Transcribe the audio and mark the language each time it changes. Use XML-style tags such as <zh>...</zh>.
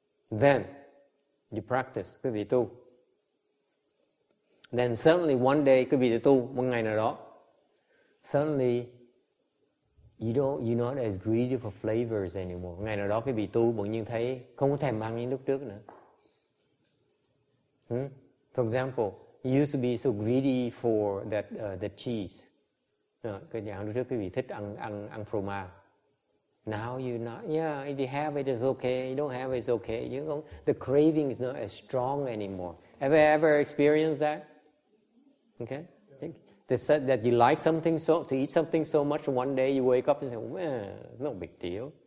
<en>Then you practice,</en> <vi>quý vị tu.</vi> <en>Then suddenly one day,</en> <vi>quý vị tu một ngày nào đó,</vi> <en>suddenly you're not as greedy for flavors anymore.</en> <vi>Ngày nào đó quý vị tu bỗng nhiên thấy không có thèm ăn như lúc trước nữa.</vi> <en>For example, you used to be so greedy for that the cheese.</en> <vi>Cái nhà lúc trước quý vị thích ăn phô mai.</vi> <en>Now you're not, if you have it, it's okay. You don't have it, it's okay. You know, the craving is not as strong anymore. Have you ever experienced that? Okay? Yeah. They said that you like something so, to eat something so much, one day you wake up and say, well, no big deal.</en>